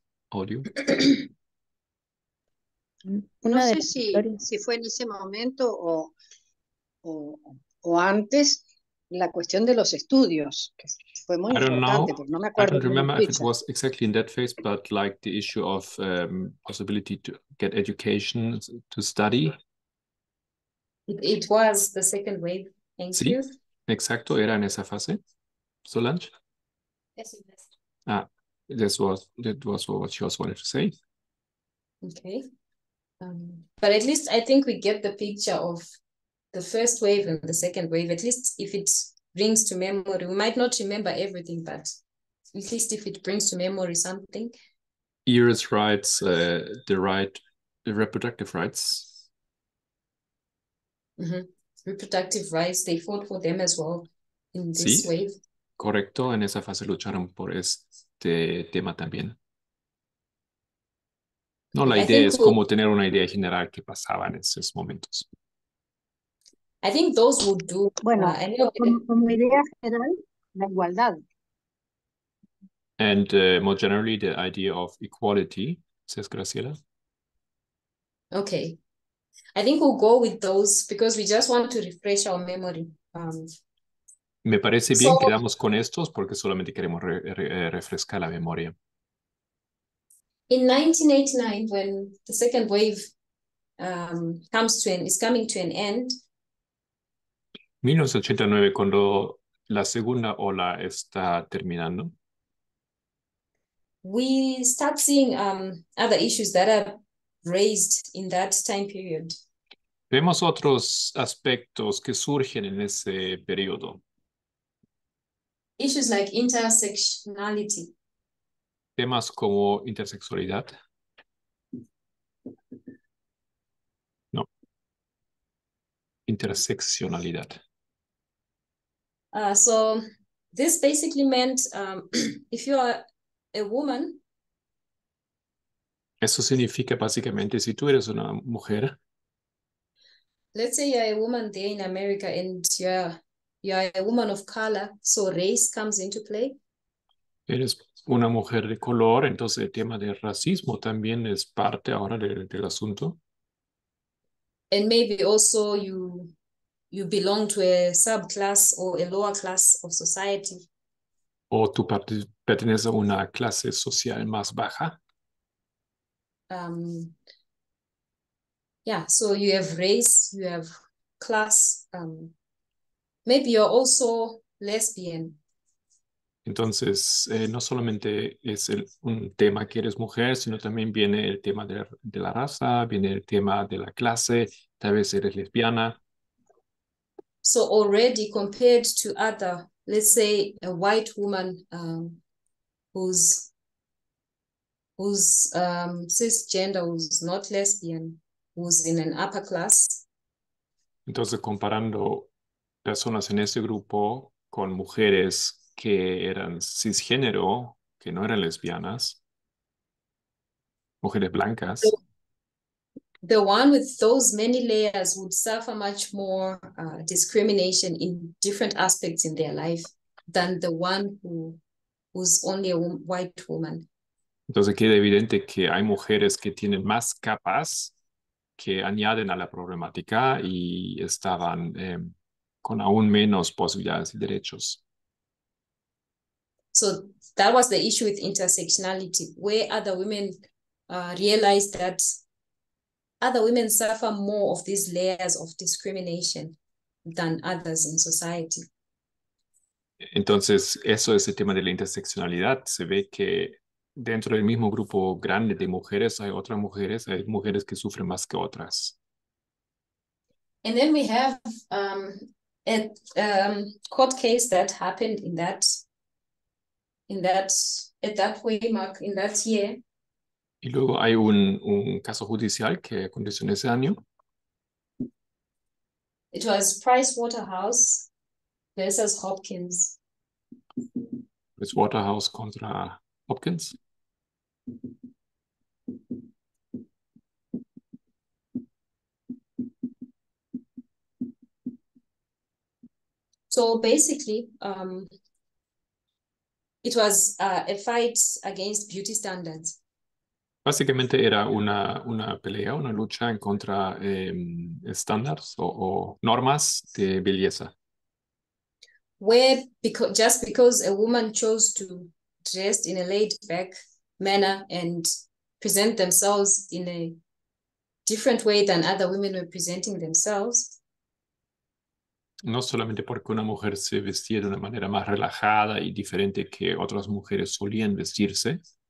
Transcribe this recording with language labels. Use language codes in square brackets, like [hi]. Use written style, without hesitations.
[en] Audio. [es] No sé si fue en ese momento o antes la cuestión de los estudios, que fue muy importante, porque no me acuerdo. [en] I don't remember if it was exactly in that phase, but like the issue of possibility to get education, to study. It was the second wave. Thank [es] sí, [en] you. [es] Exacto, era en esa fase. Solange? [en] Yes, yes. Ah, that was what she also wanted to say. Okay. But at least I think we get the picture of the first wave and the second wave. At least if it brings to memory, we might not remember everything, but at least if it brings to memory something. Iris writes the reproductive rights. Mm-hmm. Reproductive rights, they fought for them as well in this [es] sí. [en] Wave. [es] Correcto, en esa fase lucharon por este tema también. No, la idea es como tener una idea general que pasaba en esos momentos. [en] I think those would do. [es] Bueno, como idea general, la igualdad. [en] And more generally, the idea of equality, says Graciela. Okay. I think we'll go with those because we just want to refresh our memory. [es] Me parece bien, quedamos con estos porque solamente queremos refrescar la memoria. [en] In 1989, when the second wave is coming to an end. [es] 1989, cuando la segunda ola está terminando. [en] We start seeing other issues that are raised in that time period. [es] Vemos otros aspectos que surgen en ese periodo. [en] Issues like intersectionality. [es] Temas como intersexualidad. No. Interseccionalidad. [en] So this basically meant if you are a woman. [es] Eso significa básicamente si tú eres una mujer. [en] Let's say you're a woman there in America and you're a woman of color, so race comes into play. [es] Eres una mujer de color, entonces el tema del racismo también es parte ahora del asunto. [en] And maybe also you belong to a subclass or a lower class of society. [es] O tú perteneces a una clase social más baja. [en] Yeah, so you have race, you have class. Maybe you're also lesbian. [es] Entonces, no solamente es un tema que eres mujer, sino también viene el tema de la raza, viene el tema de la clase, tal vez eres lesbiana. [en] So already compared to other, let's say a white woman who's cisgender, who's not lesbian, who's in an upper class. [es] Entonces, comparando personas en ese grupo con mujeres que eran cisgénero, que no eran lesbianas, mujeres blancas. [en] The one with those many layers would suffer much more discrimination in different aspects in their life than the one who's only a white woman. [es] Entonces queda evidente que hay mujeres que tienen más capas que añaden a la problemática y estaban con aún menos posibilidades y derechos. [en] So that was the issue with intersectionality. Where other women realized that other women suffer more of these layers of discrimination than others in society. [es] Entonces, eso es el tema de la interseccionalidad. Se ve que dentro del mismo grupo grande de mujeres hay otras mujeres, hay mujeres que sufren más que otras. [en] And then we have a court case that happened in that year. [es] Y luego hay un caso judicial que aconteció en ese año. [en] It was Price Waterhouse versus Hopkins. [es] Price Waterhouse contra Hopkins. [en] So basically, it was a fight against beauty standards. [es] Básicamente era una pelea, una lucha en contra estándares o normas de belleza. [en] Where just because a woman chose to dress in a laid back manner and present themselves in a different way than other women were presenting themselves. [es] No solamente porque una mujer se vestía de una manera más relajada y diferente que otras mujeres solían vestirse.